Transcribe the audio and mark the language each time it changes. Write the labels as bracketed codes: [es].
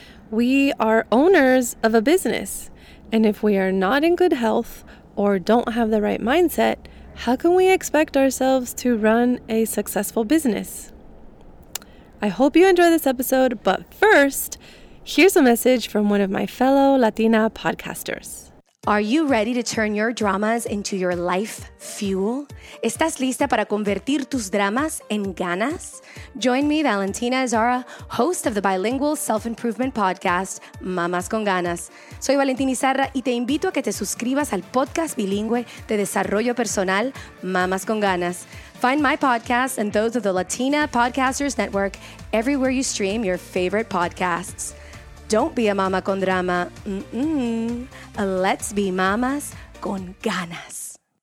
[en] We are owners of a business, and if we are not in good health or don't have the right mindset, how can we expect ourselves to run a successful business? I hope you enjoy this episode, but first, here's a message from one of my fellow Latina podcasters. Are you ready to turn your dramas into your life fuel? [es] ¿Estás lista para convertir tus dramas en ganas? [en] Join me, Valentina Azara, host of the bilingual self-improvement podcast, Mamas con Ganas. [es] Soy Valentina Izarra y te invito a que te suscribas al podcast bilingüe de desarrollo personal, Mamas con Ganas. [en] Find my podcast and those of the Latina Podcasters Network everywhere you stream your favorite podcasts. Don't be a mama con drama. Let's be mamas con ganas.